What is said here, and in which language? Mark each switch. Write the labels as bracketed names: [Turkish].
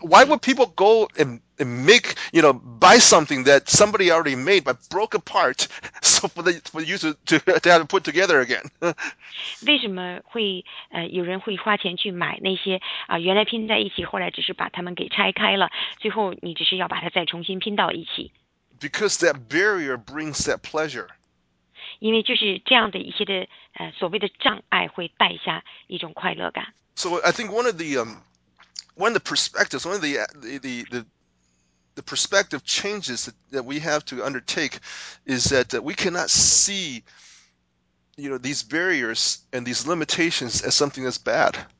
[English] Why would people go and make, you know, buy something that somebody already made but broke apart, so for the user to have it put together again? [Chinese] 为什么会有人会花钱去买那些原来拼在一起，后来只是把它们给拆开了，最后你只是要把它再重新拼到一起 [English] ？Because that barrier brings that pleasure. [Chinese] 因为就是这样的一些的所谓的障碍会带下一种快乐感。 [English] So I think one of the perspectives, one of the perspective changes that we have to undertake is that we cannot see, you know, these barriers and these limitations as something that's bad.